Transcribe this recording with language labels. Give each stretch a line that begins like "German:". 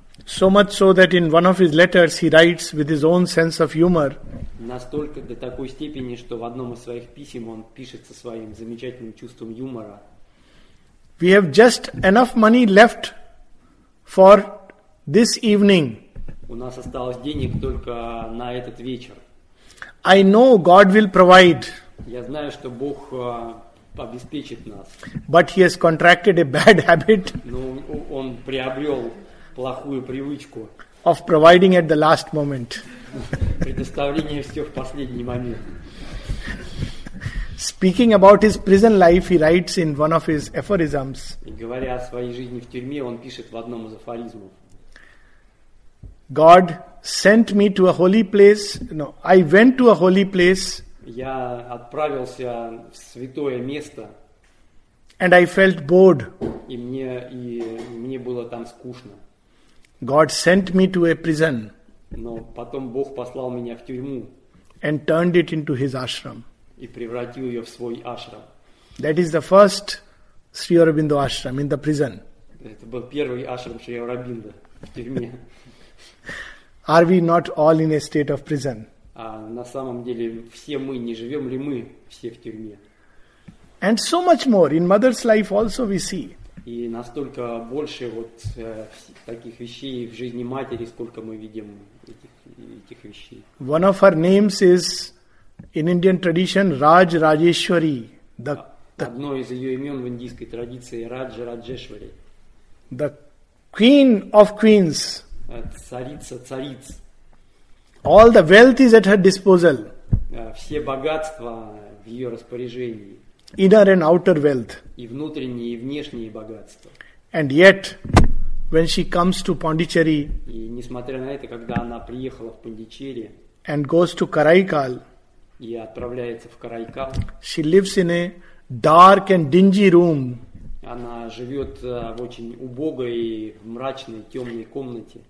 English: So much so that in one of his letters he writes with his own sense of humor.
Russian: Настолько до такой степени, что в одном из своих писем он пишет со своим замечательным чувством юмора.
English: We have just enough money left for this evening.
Russian: У нас осталось денег только на этот вечер.
English: I know God will provide.
Russian: Я знаю, что Бог обеспечит нас.
English: But he has contracted a bad habit.
Russian: Но он приобрел плохую привычку.
English: Of providing at the last moment.
Russian: Предоставление все в последний момент.
English: Speaking about his prison life, he writes in one of his aphorisms.
Russian: Говоря о своей жизни в тюрьме, он пишет в одном из афоризмов.
English: God sent me to a holy place. No, I went to a holy place.
Russian: Я отправился в святое место.
English: And I felt bored.
Russian: И мне было там скучно.
English: God sent me to a prison.
Russian: Но потом Бог послал меня в тюрьму.
English: And turned it into his ashram.
Russian: И превратил ее в свой ашрам.
English: That is the first Sri Aurobindo ashram in the prison.
Russian: Это был первый ашрам Шри Аурабинда в тюрьме.
English: Are we not all in a state of prison?
Russian: А на самом деле все мы, не живем ли мы все в тюрьме?
English: And so much more in mother's life also we see.
Russian: И настолько больше вот таких вещей в жизни матери, сколько мы видим этих вещей.
English: One of her names is in Indian tradition Raj Rajeshwari.
Russian: Одно из ее имен в индийской традиции Радж Раджешвари.
English: The queen of queens.
Russian: Царица цариц.
English: All the wealth is at her disposal.
Russian: Все богатства в ее распоряжении.
English: Inner and outer wealth.
Russian: И внутренние и внешние богатства.
English: And yet, when she comes to Pondicherry,
Russian: и несмотря на это, когда она приехала в Пондичерри,
English: and goes to Karaikal,
Russian: и отправляется в Karaikal,
English: she lives in a dark and dingy room.
Russian: Она живет в очень убогой, мрачной, темной комнате.